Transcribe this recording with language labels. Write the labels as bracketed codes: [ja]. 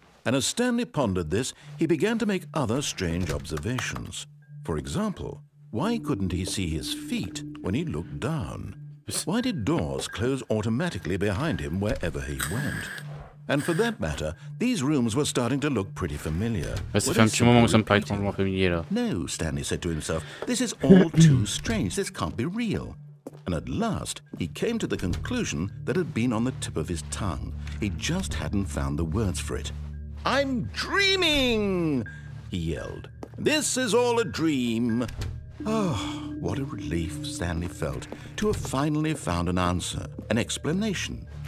[en] And as Stanley pondered this, he began to make other strange observations. For example, why couldn't he see his feet when he looked down? Why did doors close automatically behind him wherever he went? And for that matter, these rooms were starting to look pretty familiar. [fr] Ça fait un petit moment où ça me paraît étrangement familier là. [en] No, Stanley said to himself, this is all too strange. This can't be real. And at last, he came to the conclusion that had been on the tip of his tongue. He just hadn't found the words for it. I'm dreaming! he yelled. This is all a dream. Oh, what a relief Stanley felt to have finally found an answer, an explanation.